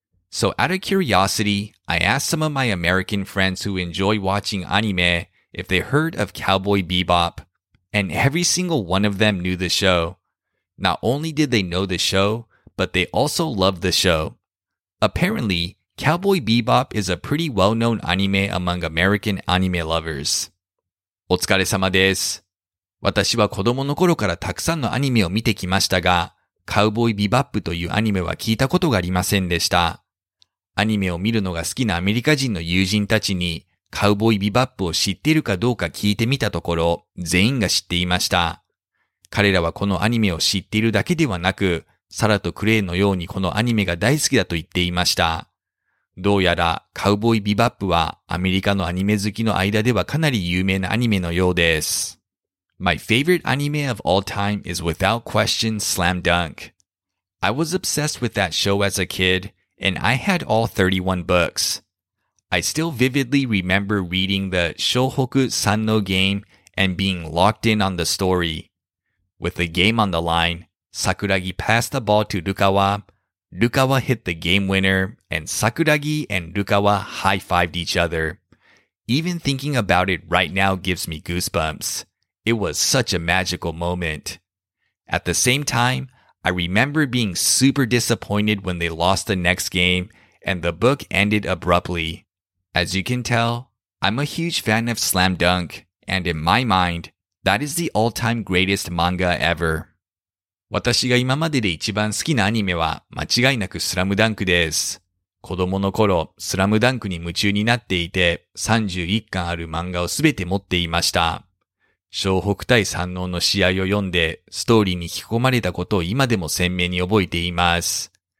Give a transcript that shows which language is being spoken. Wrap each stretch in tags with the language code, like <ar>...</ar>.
<en>So out of curiosity, I asked some of my American friends who enjoy watching anime if they heard of Cowboy Bebop, and every single one of them knew the show. Not only did they know the show, but they also loved the show. Apparently, Cowboy Bebop is a pretty well-known anime among American anime lovers.</en> <ja>お疲れ様です。私は子供の頃からたくさんのアニメを見てきましたが、Cowboy Bebop というアニメは聞いたことがありませんでした。アニメを見るのが好きなアメリカ人の友人たちにカウボーイビバップを知っているかどうか聞いてみたところ、全員が知っていました。彼らはこのアニメを知っているだけではなく、サラとクレイのようにこのアニメが大好きだと言っていました。どうやらカウボーイビバップはアメリカのアニメ好きの間ではかなり有名なアニメのようです。</ja> <en>My favorite anime of all time is without question Slam Dunk. I was obsessed with that show as a kid. And I had all 31 books. I still vividly remember reading the Shouhoku San no game and being locked in on the story. With the game on the line, Sakuragi passed the ball to Rukawa. Rukawa hit the game winner, and Sakuragi and Rukawa high-fived each other. Even thinking about it right now gives me goosebumps. It was such a magical moment. At the same time, I remember being super disappointed when they lost the next game and the book ended abruptly. As you can tell, I'm a huge fan of Slam Dunk, and in my mind, that is the all-time greatest manga ever.</en> <ja>私が今までで一番好きなアニメは間違いなくスラムダンクです。子供の頃、スラムダンクに夢中になっていて、31巻ある漫画をすべて持っていました。湘北対山王の試合を読んで、ストーリーに引き込まれたことを今でも鮮明に覚えています。</ja>